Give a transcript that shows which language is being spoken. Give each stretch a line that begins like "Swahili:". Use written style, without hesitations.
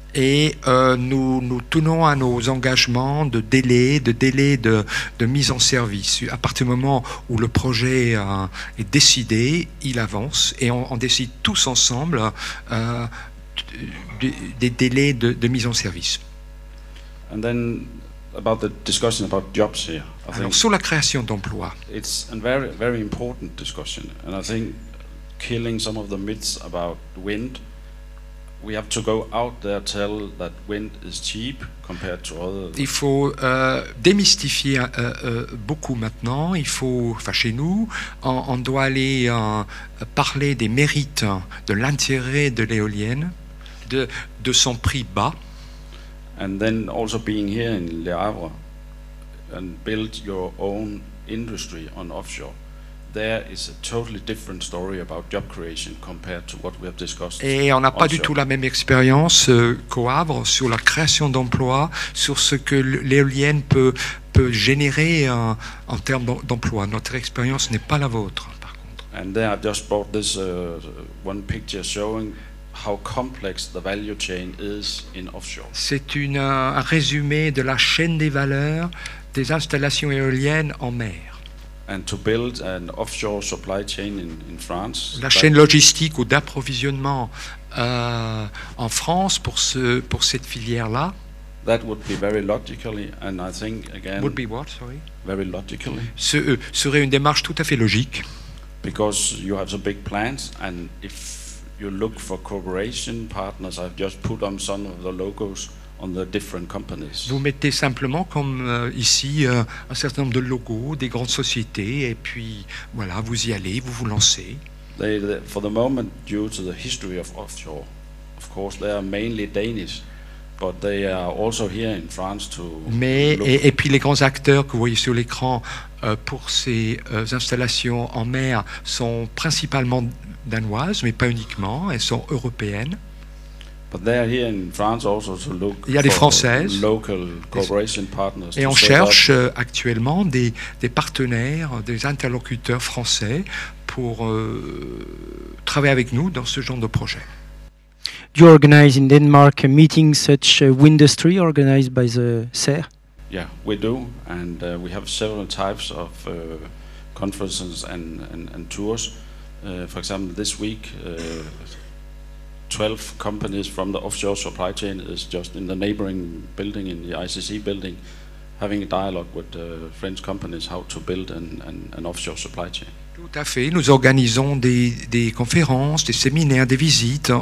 French: Et nous tenons à nos engagements de délai de mise en service. À partir du moment où le projet est décidé, il avance, et on décide tous ensemble des délais de mise en service.
English: And then about the discussion about jobs here.
French: Alors, sur la création d'emplois.
English: It's a very very important discussion, and I think killing some of the myths about wind, we have to go out there tell that wind is cheap compared to other.
French: Il faut démystifier beaucoup maintenant. Il faut, enfin, chez nous, on doit aller parler des mérites, de l'intérêt de l'éolienne, de son prix bas.
English: And then also being here in Le Havre and build your own industry on offshore. There is a totally different story about job creation compared to what we have discussed.
French: Et on n'a pas du tout la même expérience qu'au Havre sur la création d'emplois, sur ce que l'éolienne peut générer en termes d'emploi. Notre expérience n'est pas la vôtre, par contre.
English: And then I just brought this one picture showing how complex the value chain is in offshore.
French: C'est un résumé de la chaîne des valeurs des installations éoliennes en mer.
English: And to build an offshore supply chain in France.
French: La chaîne logistique ou d'approvisionnement en France pour cette filière-là.
English: That would be very logically, and I think again. Would be what? Sorry. Very logically.
French: Serait une démarche tout à fait logique.
English: Because you have some big plans, and if you look for cooperation partners, I've just put on some of the logos. On the different companies.
French: Vous mettez simplement comme ici un certain nombre de logos des grandes sociétés, et puis voilà, vous y allez, vous vous lancez.
English: For the moment, due to the history of offshore, of course, they are mainly Danish, but they are also here in France to.
French: Mais et puis les grands acteurs que vous voyez sur l'écran pour ces installations en mer sont principalement danoises, mais pas uniquement, elles sont européennes.
English: But they are here in France also to look.
French: Il y a des Françaises.
English: Local cooperation partners.
French: Et on cherche actuellement des partenaires, des interlocuteurs français pour travailler avec nous dans ce genre de projet.
English: Do you organize in Denmark a meeting such wind industry organized by the SER? Yeah, we do, and we have several types of conferences and tours. For example, this week, 12 companies from the offshore supply chain is just in the neighboring building, in the ICC building, having a dialogue with French companies how to build an offshore supply chain.
French: Tout à fait. Nous organisons des conférences, des séminaires, des visites.